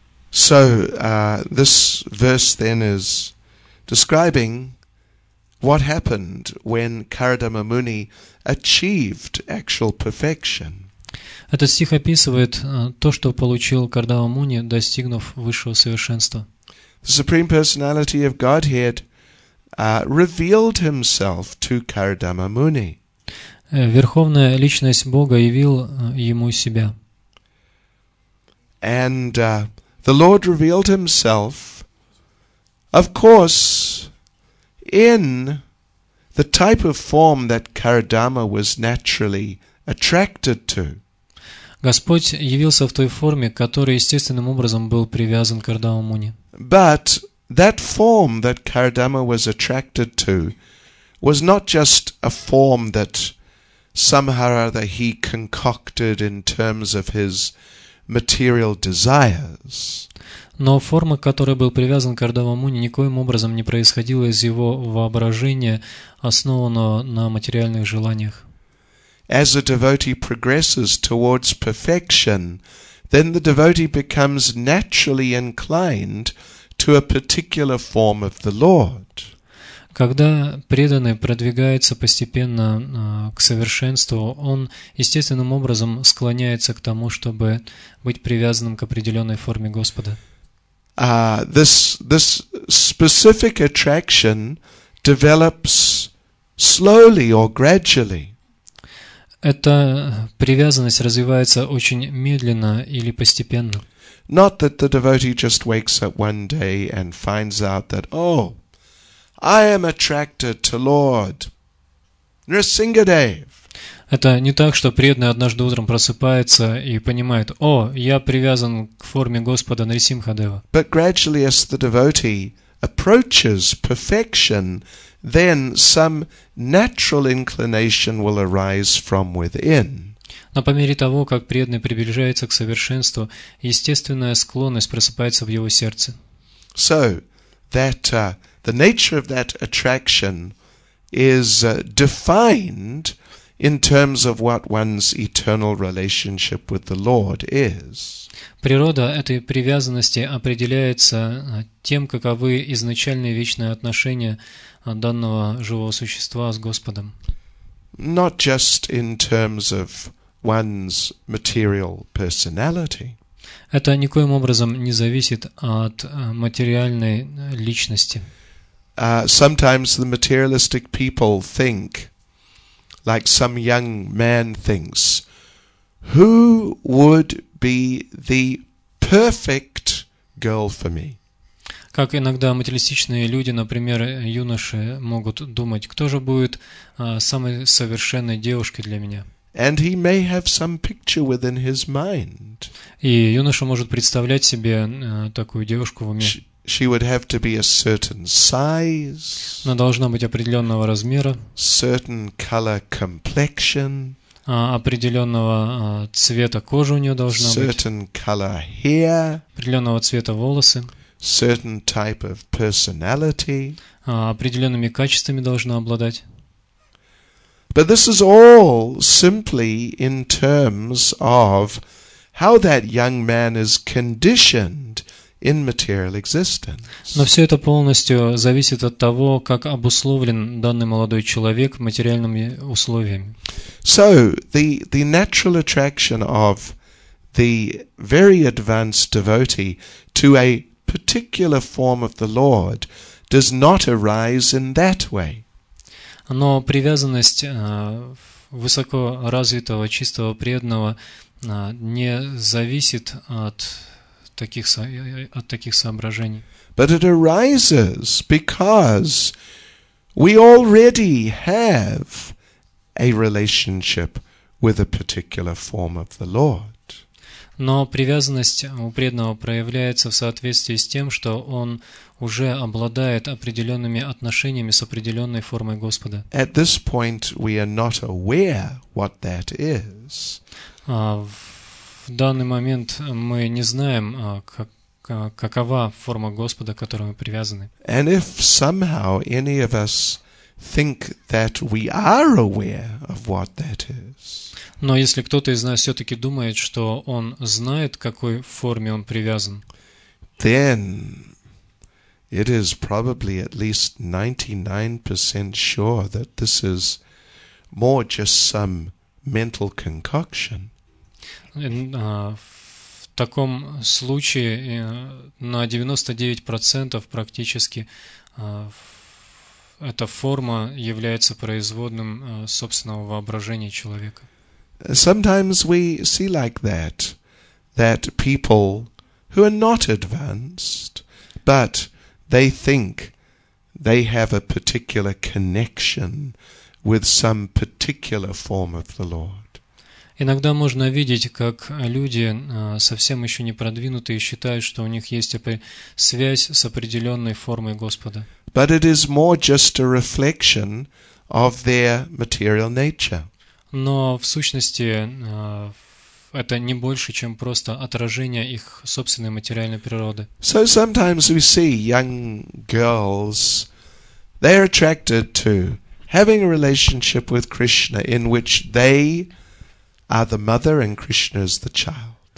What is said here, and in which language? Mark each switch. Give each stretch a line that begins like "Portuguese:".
English: So, this verse then is describing what happened when Kardama Muni achieved actual perfection.
Russian: Этот стих описывает то, что получил Кардама Муни, достигнув высшего совершенства.
English: The Supreme Personality of Godhead revealed himself to Kardama Muni.
Russian: Верховная Личность Бога явил ему себя.
English: And the Lord revealed himself, of course, in the type of form that Kardama was naturally attracted to.
Russian: Господь явился в той форме, который естественным образом был привязан к Кардама Муни.
English: But that form that Kardama was attracted to was not just a form that somehow or other he concocted in terms of his material desires.
Russian: Но форма, к которой был привязан Кардама Муни, никоим образом не происходила из его воображения, основанного на материальных желаниях.
English: As a devotee progresses towards perfection, then the devotee becomes naturally inclined to a particular form of the Lord.
Russian: Когда преданный продвигается постепенно к совершенству, он естественным образом склоняется к тому, чтобы быть привязанным к определенной форме Господа.
English: This specific attraction develops slowly or gradually.
Russian: Эта привязанность развивается очень медленно или постепенно.
English: Not that the devotee just wakes up one day and finds out that, oh, I am attracted to Lord Nrisingadev.
Russian: Это не так, что преданный однажды утром просыпается и понимает, о, я привязан к форме Господа Нрисимхадева.
English: But gradually as the devotee approaches perfection, then some natural inclination will arise from within.
Russian: Но по мере того, как преданный приближается к совершенству, естественная склонность просыпается в его сердце.
English: So, that the nature of that attraction is defined in terms of what one's eternal relationship with the Lord is.
Russian: Природа этой привязанности определяется тем, каковы изначальные вечные отношения данного живого существа с Господом.
English: Not just in terms of one's material personality.
Russian: Это никоим образом не зависит от материальной личности.
English: Sometimes the materialistic people think, like some young man thinks, who would be the perfect girl for me?
Russian: Как иногда материалистичные люди, например, юноши, могут думать, кто же будет самой совершенной девушкой для меня?
English: And he may have some picture within his mind.
Russian: И юноша может представлять себе такую девушку в уме.
English: She would have to be a certain size.
Russian: Она должна быть определенного размера.
English: Certain color complexion.
Russian: Определенного цвета кожи у нее должна быть.
English: Certain color hair.
Russian: Определенного цвета волосы.
English: Certain type of personality.
Russian: Определенными качествами должна обладать.
English: But this is all simply in terms of how that young man is conditioned in material existence.
Russian: Но все это полностью зависит от того, как обусловлен данный молодой человек материальными условиями.
English: So the natural attraction of the very advanced devotee to a particular form of the Lord does not arise in that way.
Russian: Но привязанность высокоразвитого, чистого, преданного не зависит от таких соображений.
English: But it arises because we already have a relationship with a particular form of the Lord.
Russian: Но привязанность у преданного проявляется в соответствии с тем, что он уже обладает определенными отношениями с определенной формой Господа.
English: At this point we are not aware what that is.
Russian: В данный момент мы не знаем, какова форма Господа, к которой мы привязаны.
English: And if somehow any of us think that we are aware of what that is.
Russian: Но если кто-то из нас все-таки думает, что он знает, к какой форме он привязан,
English: then it is probably at least 99% sure that this is more just some mental concoction.
Russian: В таком случае на 99% практически эта форма является производным собственного воображения человека.
English: Sometimes we see like that people who are not advanced, but they think they have a particular connection with some particular form of the Lord.
Russian: Иногда можно видеть, как люди совсем еще не продвинутые считают, что у них есть связь с определенной формой Господа.
English: But it is more just a reflection of their material nature.
Russian: Но в сущности это не больше, чем просто отражение их собственной материальной природы.
English: So sometimes we see young girls, they are attracted to having a relationship with Krishna in which they are the mother and Krishna is the child.